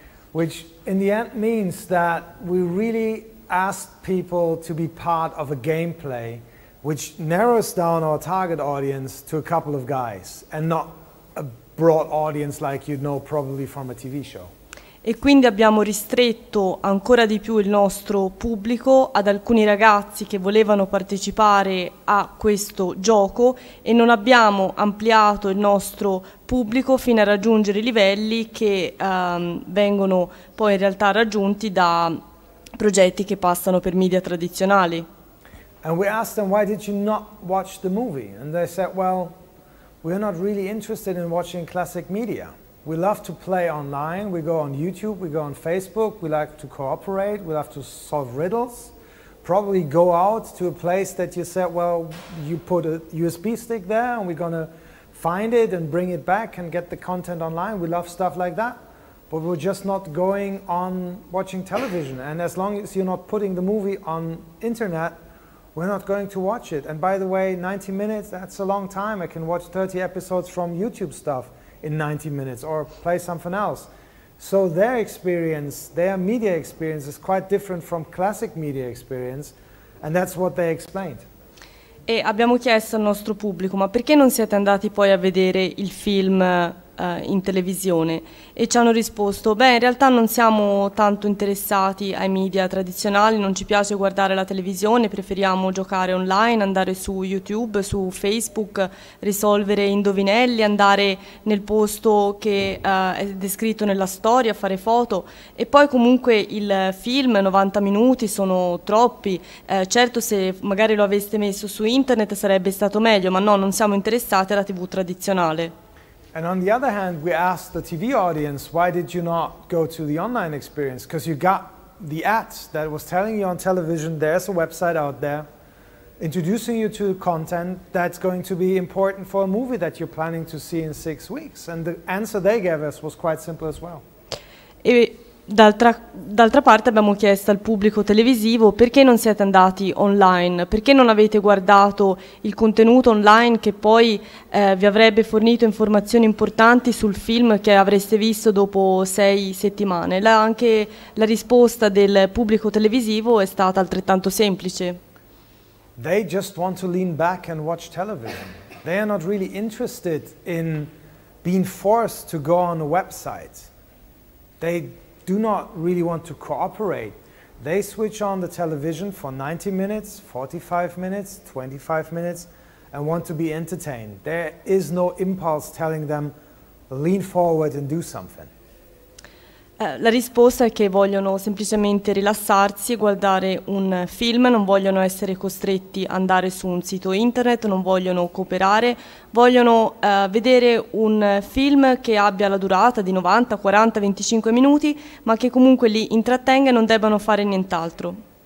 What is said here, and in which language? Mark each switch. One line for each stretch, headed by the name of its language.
English: Which in the end means that we really asked people to be part of a gameplay which narrows down our target audience to a couple of guys and not a broad audience like you'd know probably from a TV show.
Italian: e quindi abbiamo ristretto ancora di più il nostro pubblico ad alcuni ragazzi che volevano partecipare a questo gioco e non abbiamo ampliato il nostro pubblico fino a raggiungere i livelli che vengono poi in realtà raggiunti da progetti che passano per media tradizionali.
English: And we asked them, why did you not watch the movie? And they said, well, we're not really interested in watching classic media. We love to play online, we go on YouTube, we go on Facebook, we like to cooperate, we love to solve riddles, probably go out to a place that you said, well, you put a USB stick there and we're gonna find it and bring it back and get the content online. We love stuff like that, but we're just not going on watching television. And as long as you're not putting the movie on internet, we're not going to watch it. And by the way, 90 minutes, that's a long time. I can watch 30 episodes from YouTube stuff in 90 minutes or play something else. So their experience, their media experience is quite different from classic media experience, and that's what they explained.
Italian: E abbiamo chiesto al nostro pubblico, ma perché non siete andati poi a vedere il film in televisione? E ci hanno risposto, beh, in realtà non siamo tanto interessati ai media tradizionali, non ci piace guardare la televisione, preferiamo giocare online, andare su YouTube, su Facebook, risolvere indovinelli, andare nel posto che è descritto nella storia, fare foto. E poi comunque il film, 90 minuti, sono troppi, certo se magari lo aveste messo su internet sarebbe stato meglio, ma no, non siamo interessati alla TV tradizionale.
English: And on the other hand, we asked the TV audience, why did you not go to the online experience? Because you got the ads that was telling you on television, there's a website out there introducing you to content that's going to be important for a movie that you're planning to see in 6 weeks. And the answer they gave us was quite simple as well.
Italian: D'altra parte abbiamo chiesto al pubblico televisivo perché non siete andati online, perché non avete guardato il contenuto online che poi vi avrebbe fornito informazioni importanti sul film che avreste visto dopo 6 settimane. Anche la risposta del pubblico televisivo è stata altrettanto semplice.
English: They just want to lean back and watch television. They are not really interested in being forced to go on a website. They do not really want to cooperate. They switch on the television for 90 minutes, 45 minutes, 25 minutes, and want to be entertained. There is no impulse telling them, lean forward and do something.
Italian: La risposta è che vogliono semplicemente rilassarsi, guardare un film, non vogliono essere costretti ad andare su un sito internet, non vogliono cooperare, vogliono vedere un film che abbia la durata di 90, 40, 25 minuti, ma che comunque li intrattenga e non debbano fare nient'altro.